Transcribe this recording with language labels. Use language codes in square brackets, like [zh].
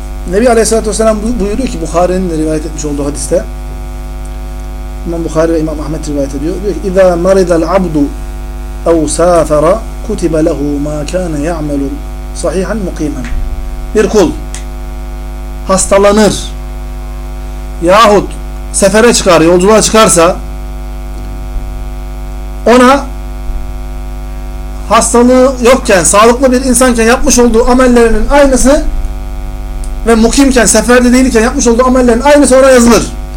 [tr] Nebi Aleyhisselatü Vesselam buyuruyor ki Buhari'nin rivayet etmiş olduğu hadiste, İmam Buhari ve İmam Ahmed rivayet ediyor. Diyor ki [ar] اِذَا مَرِضَ الْعَبْدُ اَوْ سَافَرَ كُتِبَ لَهُ مَا كَانَ يَعْمَلُ صَحِيحًا مُقِيمًا. [tr] Bir kul hastalanır yahut sefere çıkar, yolculuğa çıkarsa ona hastalığı yokken, sağlıklı bir insanken yapmış olduğu amellerinin aynısı ve mukimken, seferde değilken yapmış olduğu amellerin aynısı ona yazılır.